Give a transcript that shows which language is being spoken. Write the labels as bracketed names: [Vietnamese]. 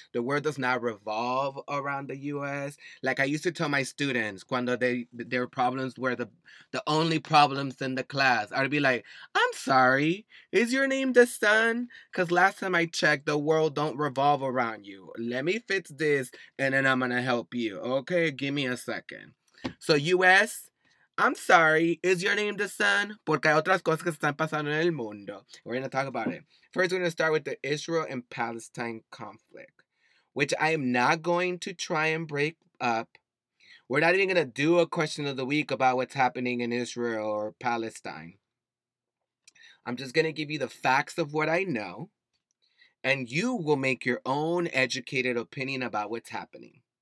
[English] The world does not revolve around the U.S. Like I used to tell my students, [Spanish] cuando [English] their problems were the only problems in the class, I'd be like, I'm sorry, is your name the sun? Because last time I checked, the world don't revolve around you. Let me fix this, and then I'm going to help you. Okay, give me a second. So U.S., I'm sorry, is your name the sun? [Spanish] Porque hay otras cosas que están pasando en el mundo. [English] We're going to talk about it. First, we're going to start with the Israel and Palestine conflict, which I am not going to try and break up. We're not even going to do a question of the week about what's happening in Israel or Palestine. I'm just going to give you the facts of what I know, and you will make your own educated opinion about what's happening.